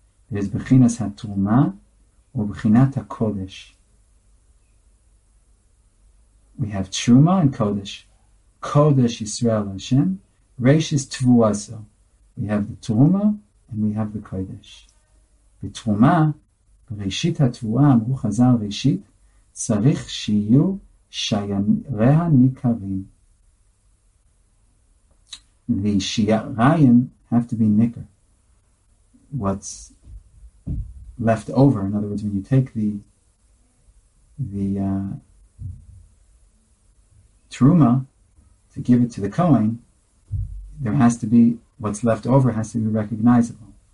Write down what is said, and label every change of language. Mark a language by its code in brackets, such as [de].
[en] There's b'chinas ha-truma, or b'chinat ha-kodesh. We have truma and kodesh. [he] Kodesh Yisrael Hashem, reishis tvuaso. [en] We have the truma, and we have the kodesh. [he] בתרומה, בראשית התבואה, אמרו חזר ראשית, צריך שיהיו שייריה ניכרים. [en] The שייריים have to be ניכר. What's left over, in other words, when you take the truma, to give it to the kohen, there has to be, what's left over has to be recognizable.